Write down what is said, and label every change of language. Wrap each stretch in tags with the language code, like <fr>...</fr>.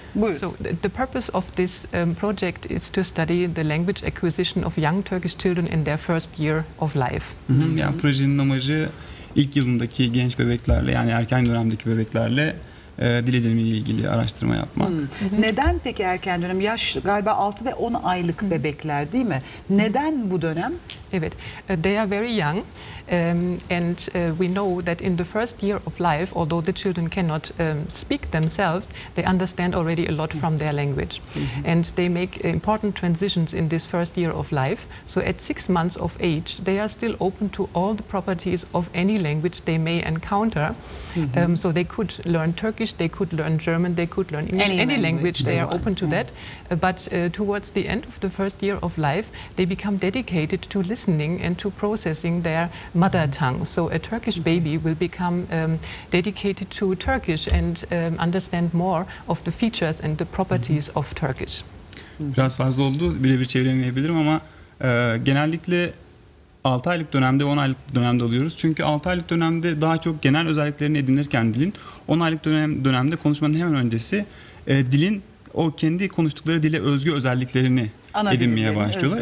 <tr>Buyurun.</tr> <en>So the purpose of this project is to study the language acquisition of young Turkish children in their first year of life.</en> <tr>Yani projenin amacı ilk yılındaki genç bebeklerle, yani erken dönemdeki bebeklerle dil edinimiyle ilgili araştırma yapmak. Neden peki erken dönem? Yaş galiba 6 ve 10 aylık bebekler değil mi? Neden bu dönem? Evet.</tr> <en>They are very young. And we know that in the first year of life, although the children cannot speak themselves, they understand already a lot from their language. And they make important transitions in this first year of life. So at 6 months of age, they are still open to all the properties of any language they may encounter. So they could learn Turkish, they could learn German, they could learn English, any language they are want, open to that. But towards the end of the first year of life, they become dedicated to listening and to processing their mother tongue. So a Turkish baby will become dedicated to Turkish and understand more of the features and the properties of Turkish.</en> <tr>Biraz fazla oldu, birebir çeviremeyebilirim ama genellikle 6 aylık dönemde, 10 aylık dönemde alıyoruz. Çünkü 6 aylık dönemde daha çok genel özelliklerini edinirken dilin, 10 aylık dönemde konuşmanın hemen öncesi dilin o kendi konuştukları dile özgü özelliklerini edinmeye başlıyorlar.</tr>